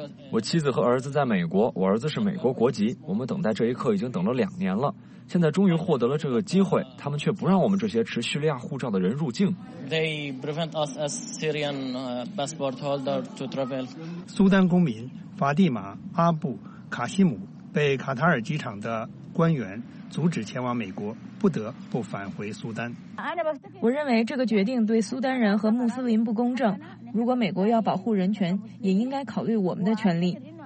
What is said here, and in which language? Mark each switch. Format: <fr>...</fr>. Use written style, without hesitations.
<zh>我妻子和儿子在美国，我儿子是美国国籍。我们等待这一刻已经等了2年了，现在终于获得了这个机会，他们却不让我们这些持叙利亚护照的人入境。</zh> <en>They prevent us as Syrian passport holder to travel.</en> <zh>苏丹公民法蒂玛·阿布·卡西姆被卡塔尔机场的官员阻止前往美国，不得不返回苏丹。我认为这个决定对苏丹人和穆斯林不公正，如果美国要保护人权，也应该考虑我们的权利。</zh>